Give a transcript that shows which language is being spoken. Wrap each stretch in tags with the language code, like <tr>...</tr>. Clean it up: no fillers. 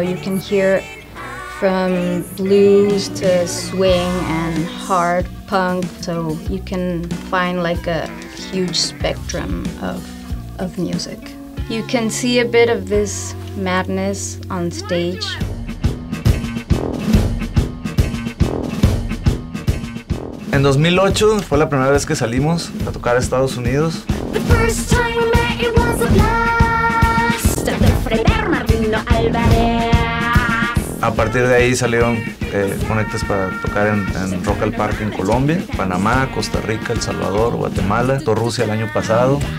<en>You can hear from blues to swing and hard punk, so you can find like a huge spectrum of music. You can see a bit of this madness on stage.</en> <es>En 2008 fue la primera vez que salimos a tocar a Estados Unidos.</es> <en>The first time we met, it was a blast.</en> <es>De Freder Marino Alvarez. A partir de ahí salieron conectas para tocar en Rock al Parque en Colombia, Panamá, Costa Rica, El Salvador, Guatemala, todo Rusia el año pasado.</es>